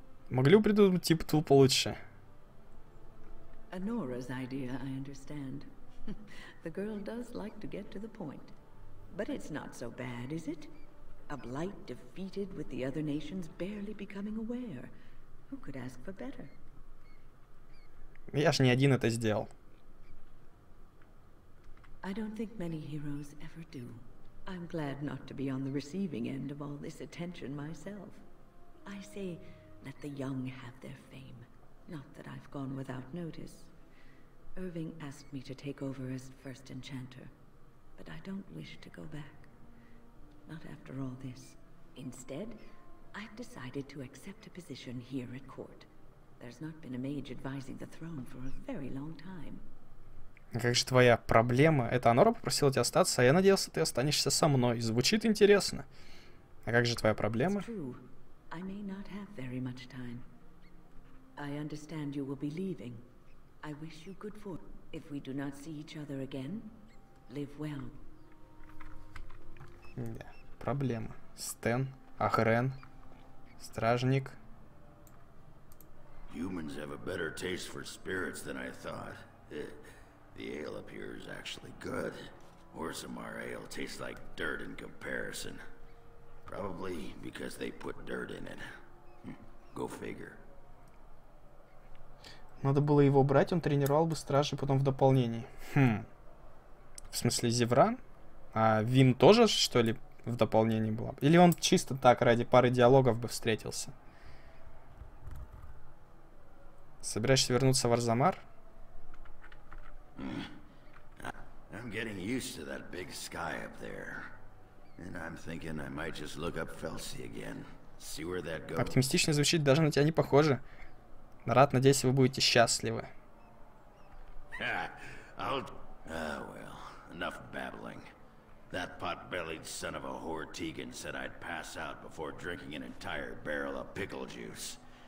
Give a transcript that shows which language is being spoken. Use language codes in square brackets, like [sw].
[ru] Могли бы придумать типа тул получше. [en] Anora's idea, I understand. The girl does like to get to the point. But it's not so bad, is it? A blight defeated with the other nations barely becoming aware. Who could ask for better? [ru] Я ж не один это сделал. [en] I don't think many heroes ever do. I'm glad not to be on the receiving end of all this attention myself. I say, let the young have their fame. Not that I've gone without notice. Irving asked me to take over as first enchanter, but I don't wish to go back. Not after all this. Instead, I've decided to accept a position here at court. There's not been a mage advising the throne for a very long time. [ru] Как же твоя проблема? Это Анора попросила тебя остаться, а я надеялся, ты останешься со мной. Звучит интересно. А как же твоя проблема? [en] I may not have very much time. I understand you will be leaving. I wish you good fortune. If we do not see each other again, live well. [ru] Да, проблема. Стэн, Ахрен, стражник. [en] Humans have a better taste for spirits than I thought. The ale appears actually good. Orzammar ale tastes like dirt in comparison. Probably because they put dirt in it. Go figure. [ru] Надо было его брать, он тренировал бы стражи потом в дополнении. В смысле Зевран? А Вин тоже, что ли, в дополнении была? Или он чисто так ради пары диалогов бы встретился? Собираешься вернуться в Арзамар? [en] I'm getting used to that big sky up there. And I'm thinking I might just look up Felsi again. See where that goes. [ru] Оптимистично звучит, даже на тебя не похоже. Рад, надеюсь, вы будете счастливы. [en] Well, enough babbling. That pot-bellied son of a whore Tegan said I'd pass out before drinking an entire barrel of pickle juice.